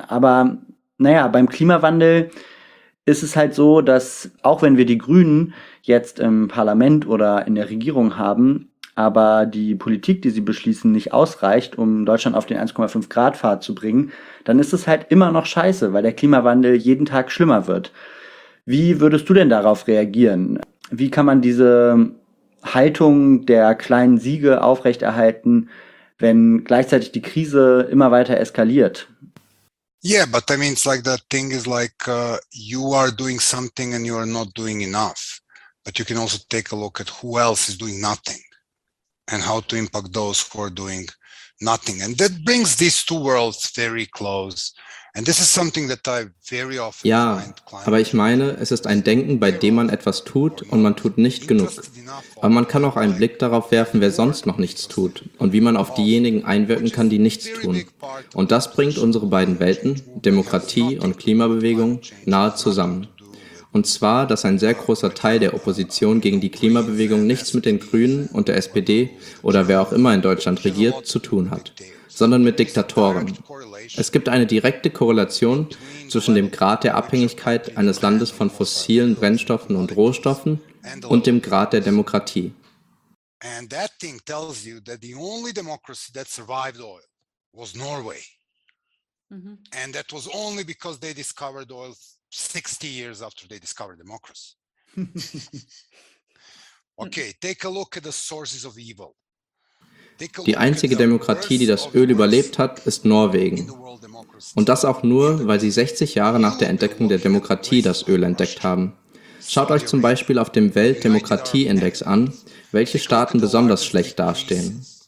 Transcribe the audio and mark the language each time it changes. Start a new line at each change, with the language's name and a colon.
German: Aber naja, beim Klimawandel ist es halt so, dass auch wenn wir die Grünen jetzt im Parlament oder in der Regierung haben, aber die Politik, die sie beschließen, nicht ausreicht, um Deutschland auf den 1,5-Grad-Pfad zu bringen, dann ist es halt immer noch scheiße, weil der Klimawandel jeden Tag schlimmer wird. Wie würdest du denn darauf reagieren? Wie kann man diese Haltung der kleinen Siege aufrechterhalten, wenn gleichzeitig die Krise immer weiter eskaliert?
English: Yeah, but I mean, it's like the thing is like, you are doing something and you are not doing enough. But you can also take a look at who else is doing nothing. And how to impact those who are doing nothing. And that brings these two worlds very close. And this is something that I very often find.
German: Ja, aber ich meine, es ist ein Denken, bei dem man etwas tut und man tut nicht genug. Aber man kann auch einen Blick darauf werfen, wer sonst noch nichts tut und wie man auf diejenigen einwirken kann, die nichts tun. Und das bringt unsere beiden Welten, Demokratie und Klimabewegung, nahe zusammen. und zwar, dass ein sehr großer Teil der Opposition gegen die Klimabewegung nichts mit den Grünen und der SPD oder wer auch immer in Deutschland regiert zu tun hat, sondern mit Diktatoren. Es gibt eine direkte Korrelation zwischen dem Grad der Abhängigkeit eines Landes von fossilen Brennstoffen und Rohstoffen und dem Grad der Demokratie.
English: And that thing tells you that the only democracy that survived oil was Norway. And that was only because they discovered oil 60 years after they discovered democracy. Okay, take a look at the sources of evil.
German: Die einzige Demokratie, die das Öl überlebt hat, ist Norwegen. Und das auch nur, weil sie 60 Jahre nach der Entdeckung der Demokratie das Öl entdeckt haben. Schaut euch zum Beispiel auf dem Weltdemokratieindex an, welche Staaten besonders schlecht dastehen.